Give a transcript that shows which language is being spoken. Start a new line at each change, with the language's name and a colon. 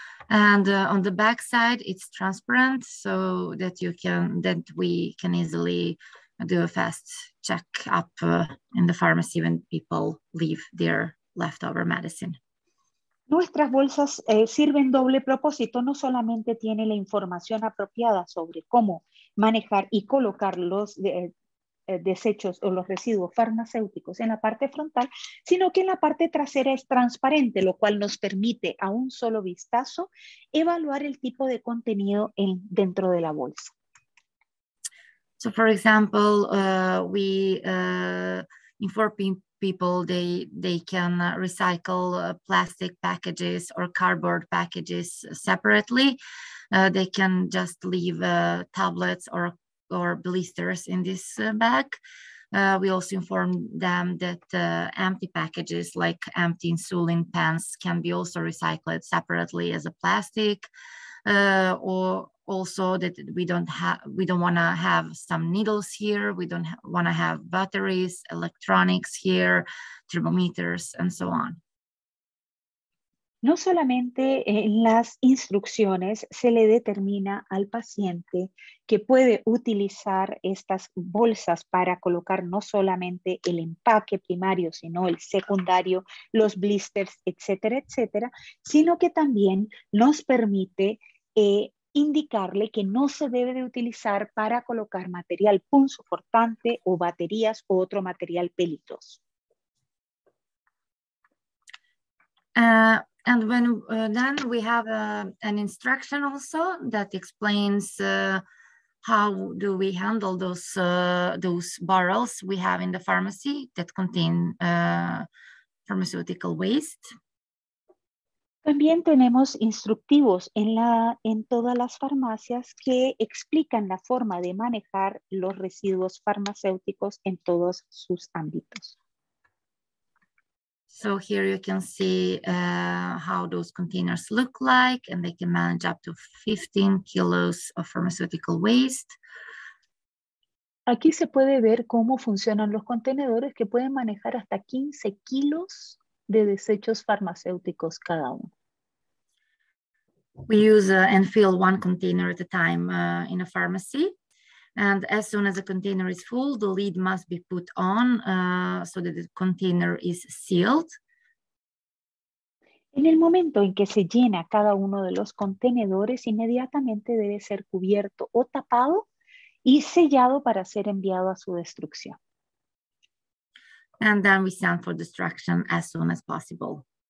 English: And on the back side, it's transparent so that we can easily do a fast check up in the pharmacy when people leave their leftover medicine.
Spanish: Nuestras bolsas sirven doble propósito, no solamente tiene la información apropiada sobre cómo manejar y colocar los desechos o los residuos farmacéuticos en la parte frontal, sino que en la parte trasera es transparente, lo cual nos permite a un solo vistazo evaluar el tipo de contenido dentro de la bolsa.
English: So for example, we inform people they can recycle plastic packages or cardboard packages separately. They can just leave tablets or blisters in this bag. We also inform them that empty packages like empty insulin pens can be also recycled separately as a plastic, or also that we don't want to have some needles here, we don't want to have batteries, electronics here, thermometers, and so on.
Spanish: No solamente en las instrucciones se le determina al paciente que puede utilizar estas bolsas para colocar no solamente el empaque primario, sino el secundario, los blisters, etcétera, etcétera, sino que también nos permite indicarle que no se debe de utilizar para colocar material punzocortante o baterías u otro material peligroso.
English: And when then we have an instruction also that explains how do we handle those barrels we have in the pharmacy that contain pharmaceutical waste.
Spanish: También tenemos instructivos en todas las farmacias que explican la forma de manejar los residuos farmacéuticos en todos sus ámbitos.
English: So here you can see how those containers look like, and they can manage up to 15 kilos of pharmaceutical waste.
Spanish: Aquí se puede ver cómo funcionan los contenedores que pueden manejar hasta 15 kilos de desechos farmacéuticos cada uno.
English: We use and fill one container at a time in a pharmacy. And as soon as the container is full, the lid must be put on so that the container is sealed.
Spanish: En el momento en que se llena cada uno de los contenedores, inmediatamente debe ser cubierto o tapado y sellado para ser enviado a su destrucción.
English: And then we send for destruction as soon as possible.